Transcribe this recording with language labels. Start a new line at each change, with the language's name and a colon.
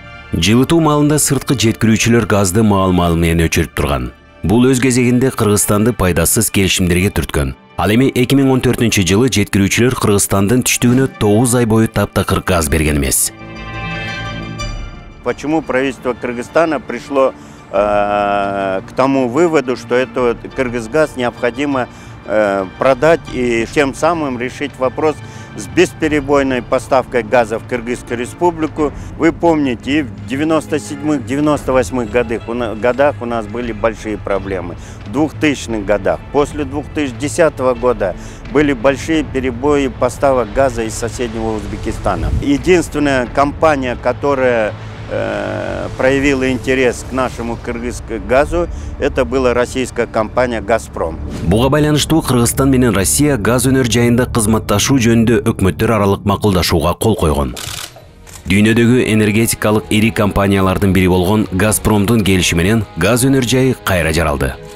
Kyrgyz: Жылытуу маалында сырткы жеткирүүчүлөр газды маал-маал менен өчүрүп турган. Бул өз кезегинде Кыргызстанды пайдасыз келишимдерге түрткөн. Ал эми 2014-чү жылы жеткирүүчүлөр Кыргызстандын түштүгүнө 9 ай бою таптакыр газ берген эмес.
Russian: Почему правительство Кыргызстана пришло к тому выводу, что это вот Кыргызгаз необходимо продать и тем самым решить вопрос с бесперебойной поставкой газа в Кыргызскую республику. Вы помните, в 97-98 годах у нас были большие проблемы. В 2000-х годах, после 2010 года были большие перебои поставок газа из соседнего Узбекистана. Единственная компания, которая проявила интерес к нашему кыргызскому газу, это была российская компания «Газпром».
Kyrgyz: Буга байланыштуу Кыргызстан менен Россия газ өнөр жайында кызматташуу жөнүндө өкмөттөр аралык макулдашууга кол койгон. Дүйнөдөгү энергетикалык ири компаниялардын бири болгон «Газпромдун» келиши менен газ өнөр жайы кайра жаралды.